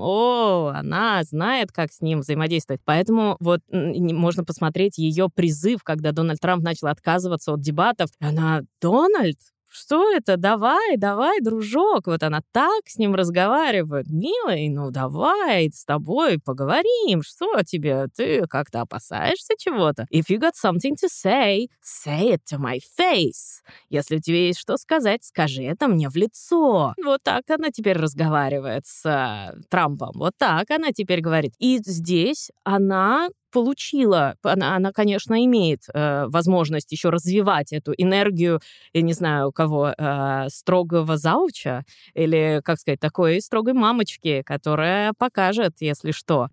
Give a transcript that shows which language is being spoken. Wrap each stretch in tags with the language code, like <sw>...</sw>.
<ru>О, она знает, как с ним взаимодействовать. Поэтому вот можно посмотреть ее призыв, когда Дональд Трамп начал отказываться от дебатов. Она: «Дональд, что это? Давай, давай, дружок». Вот она так с ним разговаривает: «Милый, ну давай с тобой поговорим. Что тебе? Ты как-то опасаешься чего-то?</ru> <en>If you got something to say, say it to my face.</en> <ru>Если у тебя есть что сказать, скажи это мне в лицо». Вот так она теперь разговаривает с Трампом. Вот так она теперь говорит. И здесь она получила, она, конечно, имеет возможность еще развивать эту энергию, я не знаю, у кого, строгого зауча или, как сказать, такой строгой мамочки, которая покажет, если что.</ru>